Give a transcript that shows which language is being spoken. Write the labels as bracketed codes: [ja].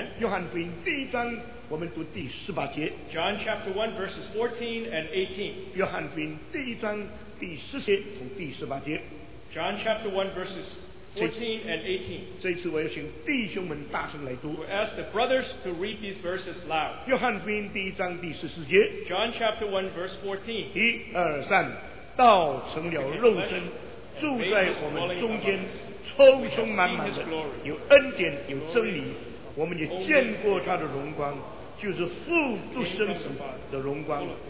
[zh] 约翰福音第一章, 我们读第十八节, [en] John chapter 1 verses 14 and 18. [zh] 约翰福音第一章第十节从第十八节, [en] John chapter 1 verses 14 and 18. [zh] 这一次我要请弟兄们大声来读, [en] we ask the brothers to read these verses loud. [zh] 约翰福音第一章第十四节, [en] John chapter 1 verse 14. [zh] 一二三, 道成了肉身, 住在我们中间, 充充满满的有恩典有真理, 我们也见过他的荣光, 就是父独生子的荣光。